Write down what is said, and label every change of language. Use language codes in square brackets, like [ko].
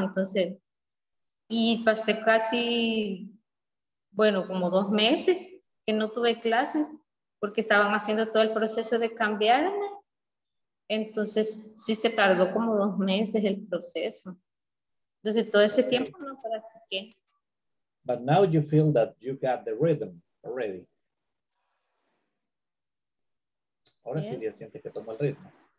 [es] Entonces, y pasé casi, bueno, como dos meses que no tuve clases porque estaban haciendo todo el proceso de cambiarme. Entonces, sí se tardó como dos meses el proceso. Entonces, todo ese tiempo no practiqué. [en] But now you feel that you got the rhythm already. [es] Ahora [en] yes. [es] Sí, ya siente que tomo el ritmo.